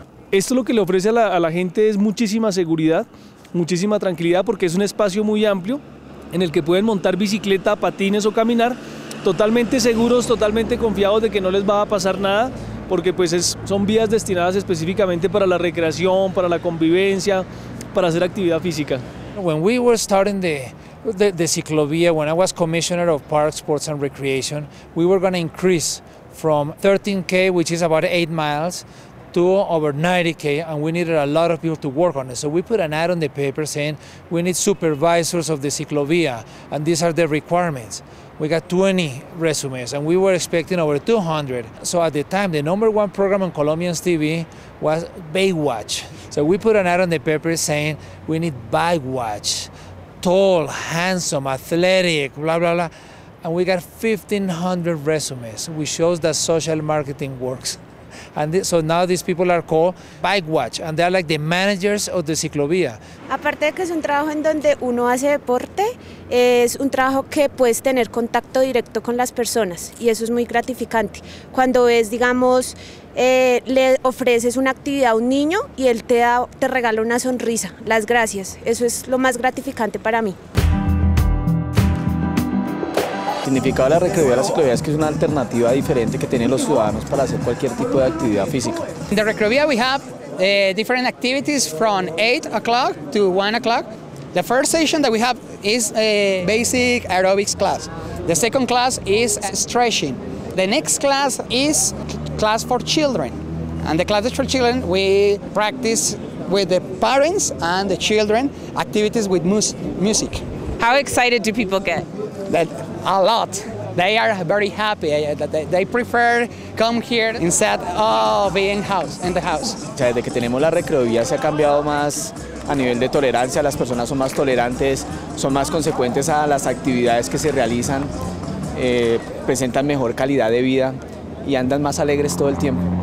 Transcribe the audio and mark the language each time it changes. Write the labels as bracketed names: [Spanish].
[Spanish] Esto lo que le ofrece a la gente es muchísima seguridad, muchísima tranquilidad, porque es un espacio muy amplio en el que pueden montar bicicleta, patines o caminar totalmente seguros, totalmente confiados de que no les va a pasar nada, porque pues son vías destinadas específicamente para la recreación, para la convivencia, para hacer actividad física. [English] When we were starting the Ciclovía, when I was Commissioner of Parks, Sports and Recreation, we were going to increase from 13K, which is about 8 miles, to over 90K, and we needed a lot of people to work on it. So we put an ad on the paper saying we need supervisors of the Ciclovía, and these are the requirements. We got 20 resumes and we were expecting over 200. So at the time, the number one program on Colombians TV was Baywatch. So we put an ad on the paper saying we need Baywatch, tall, handsome, athletic, blah, blah, blah. And we got 1,500 resumes, which shows that social marketing works. And so now these people are called Bike Watch, and they are like the managers of the Ciclovía. [Spanish] Aparte de que es un trabajo en donde uno hace deporte, es un trabajo que puedes tener contacto directo con las personas, y eso es muy gratificante. Cuando ves, digamos, le ofreces una actividad a un niño y él te regala una sonrisa, las gracias. Eso es lo más gratificante para mí. El significado de la recreativa de la ciclovía es que es una alternativa diferente que tienen los ciudadanos para hacer cualquier tipo de actividad física. En la recreativa tenemos diferentes actividades [English] from 8 o'clock to 1 o'clock. The first session that we have is a basic aerobics class. The second class is stretching. The next class is class for children. And the class for children, we practice with the parents and the children activities with music. How excited do people get? That a lot. They are very happy. They prefer come here instead of being house in the house. [Spanish] Desde que tenemos la recreovía se ha cambiado más a nivel de tolerancia. Las personas son más tolerantes, son más consecuentes a las actividades que se realizan, presentan mejor calidad de vida y andan más alegres todo el tiempo.